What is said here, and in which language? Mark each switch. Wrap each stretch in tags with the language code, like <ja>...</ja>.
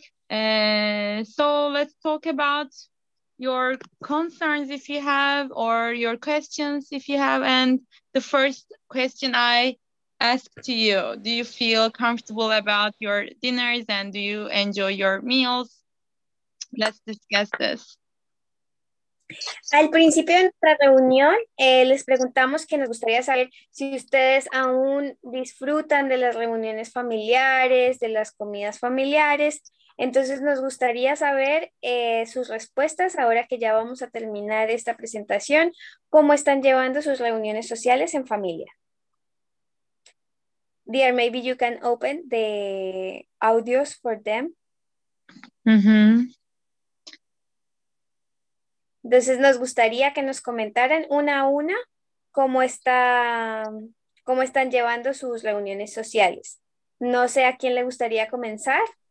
<en>So let's talk about your concerns if you have, or your questions if you have. And the first question I ask to you, do you feel comfortable about your dinners and do you enjoy your meals? Let's discuss this.</en> <es>Al principio de nuestra reunión, les preguntamos que nos gustaría saber si ustedes aún disfrutan de las reuniones familiares, de las comidas familiares. Entonces nos gustaría saber sus respuestas ahora que ya vamos a terminar esta presentación. ¿Cómo están llevando sus reuniones sociales en familia?</es> <en>Dear, maybe you can open the audios for them. Mm-hmm.</en> <es>Entonces nos gustaría que nos comentaran una a una cómo están llevando sus reuniones sociales. No sé a quién le gustaría comenzar.</es>